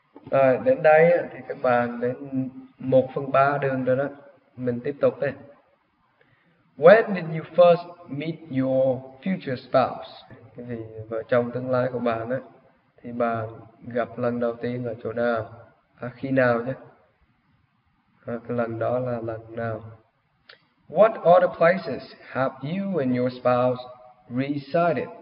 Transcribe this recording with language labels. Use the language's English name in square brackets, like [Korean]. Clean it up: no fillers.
[Vietnamese] À, đến đây thì các bạn đến 1/3 đường rồi đó. Mình tiếp tục đi. [English] When did you first meet your future spouse? [Vietnamese] Thì vợ chồng tương lai của bạn ấy, thì bạn gặp lần đầu tiên ở chỗ nào? À, khi nào chứ? À, cái lần đó là lần nào? [English] What other places have you and your spouse resided?